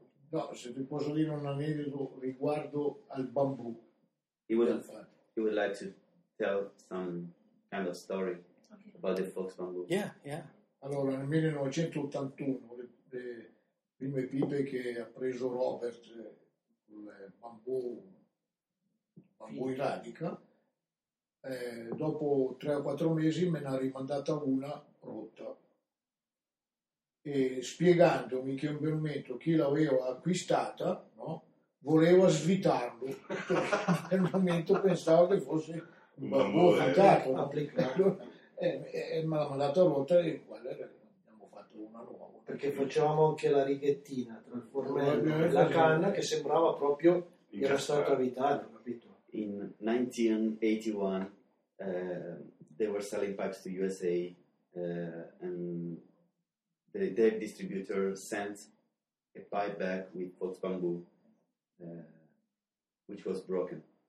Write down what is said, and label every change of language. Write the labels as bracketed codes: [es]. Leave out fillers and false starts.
[it] No, se ti posso dire un aneddoto riguardo al bambù. [en] He would like to tell some kind of story about the Fox Bamboo. Yeah. [it] Allora, nel 1981, le prime pipe che ha preso Robert, il bambù iranica, dopo 3 o 4 mesi me ne ha rimandata una rotta. E spiegandomi che un bel momento chi l'aveva acquistata, no, voleva svitarlo. Per un momento pensavo che fosse un bambù cantato, applicato, e me l'ha mandata a rotta, e quale abbiamo fatto una nuova. Perché facevamo anche la righettina tra il fornello e la canna, che sembrava proprio che era stato avvitato, capito? [en] In 1981 they were selling pipes to USA, and the dev distributor sent a pipe back with Fox Bamboo, which was broken.